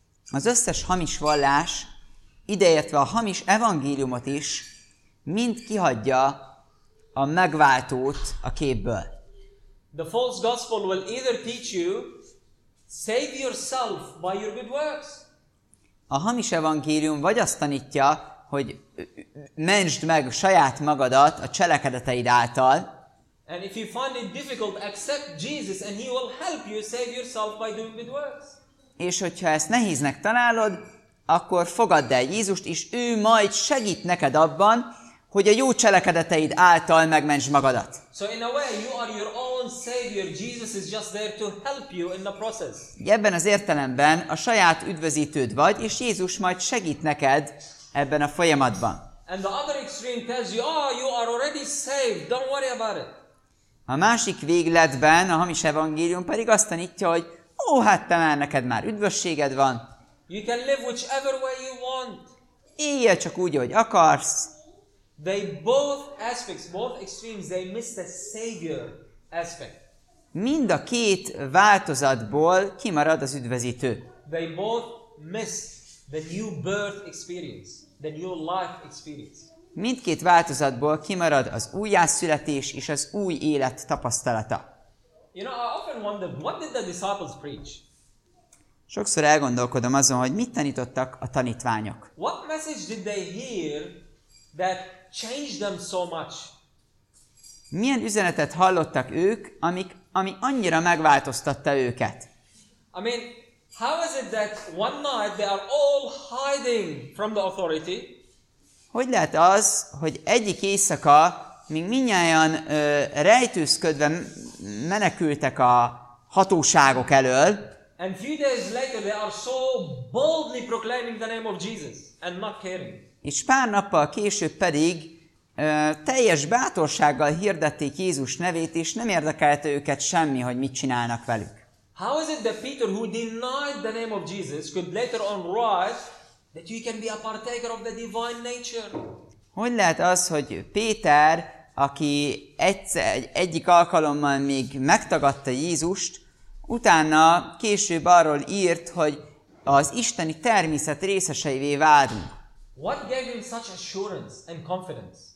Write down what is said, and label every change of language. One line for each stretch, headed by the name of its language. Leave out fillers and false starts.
Hungarian: Az összes hamis vallás, ideértve a hamis evangéliumot is, mind kihagyja a megváltót a képből.
English: The false gospel will either teach you save yourself by your good works.
Hungarian: A hamis evangélium vagy azt tanítja, hogy mentsd meg saját magadat a cselekedeteid által.
English: And if you find it difficult, accept Jesus and he will help you save yourself by doing good works.
Hungarian: És hogyha ezt nehéznek találod, akkor fogadd el Jézust, és ő majd segít neked abban, hogy a jó cselekedeteid által megmentsd magadat.
English: So in a way you are your own savior. Jesus is just there to help you in the process.
Hungarian: Ebben az értelemben a saját üdvözítőd vagy, és Jézus majd segít neked ebben a folyamatban.
English: And the other extreme tells you, oh, you are already saved. Don't worry about it.
Hungarian: A másik végletben a hamis evangélium pedig azt tanítja, hogy ó, hát te már neked már üdvösséged van.
English: You can live whichever way you want.
Hungarian: Éljél csak úgy, ahogy akarsz.
English: They both aspects, both extremes, they miss the savior aspect.
Hungarian: Mind a két változatból kimarad az üdvözítő.
English: They both miss the new birth experience, the new life experience.
Hungarian: Mindkét változatból kimarad az újjászületés és az új élet tapasztalata.
English: You know, I often wonder, what did the disciples preach?
Hungarian: Sokszor elgondolkodom azon, hogy mit tanítottak a tanítványok.
English: What message did they hear that changed them so much?
Hungarian: Milyen üzenetet hallottak ők, ami annyira megváltoztatta őket?
English: I mean, how is it that one night they are all hiding from the authority?
Hungarian: Hogy lehet az, hogy egyik éjszaka még mindnyájan rejtőzködve menekültek a hatóságok elől?
English: And few days later they are so boldly proclaiming the name of Jesus and not caring.
Hungarian: És pár nappal később pedig teljes bátorsággal hirdették Jézus nevét, és nem érdekelte őket semmi, hogy mit csinálnak velük.
English: How is it that Peter, who denied the name of Jesus, could later on write that you can be a partaker of the divine nature?
Hungarian: Hogy lehet az, hogy Péter, aki egyik alkalommal még megtagadta Jézust, utána később arról írt, hogy az isteni természet részeseivé válunk?
English: What gave him such assurance and confidence?